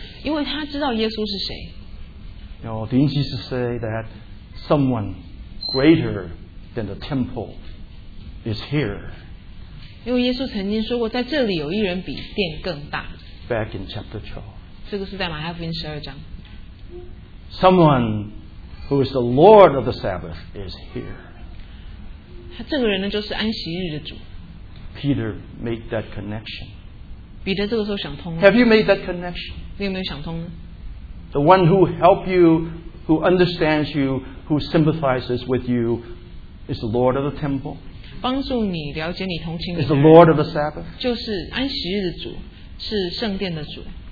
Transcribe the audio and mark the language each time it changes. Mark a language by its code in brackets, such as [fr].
[en] Didn't Jesus say that someone greater than the temple is here? [zh] 因为耶稣曾经说过，在这里有一人比殿更大。 [en] Back in chapter 12. [zh] 这个是在马太福音12章。 [en] Someone who is the Lord of the Sabbath is here. [zh] 他这个人呢，就是安息日的主。 [en] Peter made that connection. [zh] 彼得这个时候想通了。 [en] Have you made that connection? [zh] 你有没有想通呢? [en] The one who helped you, who understands you, who sympathizes with you, is the Lord of the temple. [zh] 帮助你了解你同情你的人, [en] is the Lord of the Sabbath. [zh] 就是安息日的主, 是圣殿的主。